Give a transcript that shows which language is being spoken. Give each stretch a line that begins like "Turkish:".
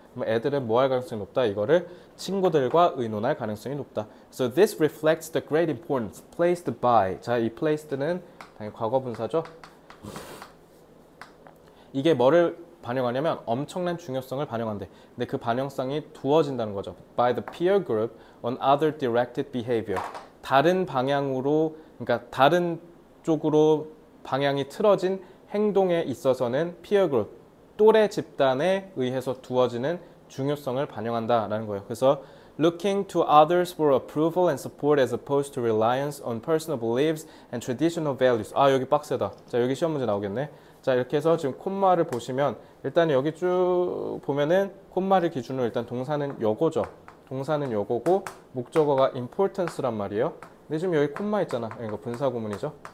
Korean: 그럼 애들은 뭐할 가능성이 높다? 이거를 친구들과 의논할 가능성이 높다.
English: So this reflects the great importance placed by.
Korean: 자, 이 placed는 당연히 과거분사죠. 이게 뭐를 반영하냐면 엄청난 중요성을 반영한대. 근데 그 반영성이 두어진다는 거죠.
English: By the peer group on other directed behavior.
Korean: 다른 방향으로, 그러니까 다른 쪽으로 방향이 틀어진 행동에 있어서는 peer group, 또래 집단에 의해서 두어지는 중요성을 반영한다라는 거예요. 그래서
English: looking to others for approval and support as opposed to reliance on personal beliefs and traditional values.
Korean: 아, 여기 빡세다. 자, 여기 시험 문제 나오겠네. 자, 이렇게 해서 지금 콤마를 보시면 일단 여기 쭉 보면은 콤마를 기준으로 일단 동사는 요거죠. 동사는 요거고 목적어가 importance란 말이에요. 근데 지금 여기 콤마 있잖아. 이거 분사 구문이죠.